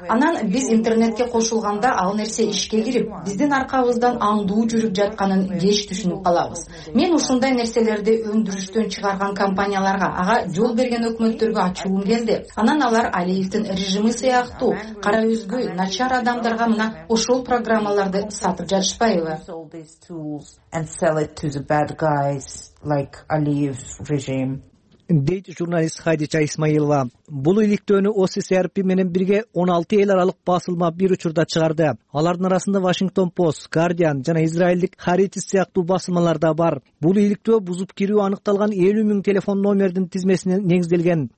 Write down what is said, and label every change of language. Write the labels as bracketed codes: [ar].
[ky] Анан биз интернетке кошулганда ал нерсе ишке кирип, биздин аркабыздан аңдуу жүрүп жатканын кеч түшүнүп калабыз. Мен ушундай нерселерди өндүрүштөн чыгарган компанияларга, ага жол берген өкмөттөргө ачуум келди. Анан алар Алиевдин режими сыяктуу кара өзгөй, начар адамдарга мына ошол программаларды сатып жатышпайбы? [en] And sell it to the bad guys like Aliyev's regime. [ky] Дейт журналист Хадича Исмаилова. Бул иликтөөнү OSCRP менен бирге 16 эл аралык басылма бир учурда чыгарды. Алардын арасында Washington Post, Guardian жана израилдик Haaretz сыяктуу басылмалар да бар. Бул иликтөө бузуп кирүү аныкталган 50,000 телефон номердин тизмесине негизделген.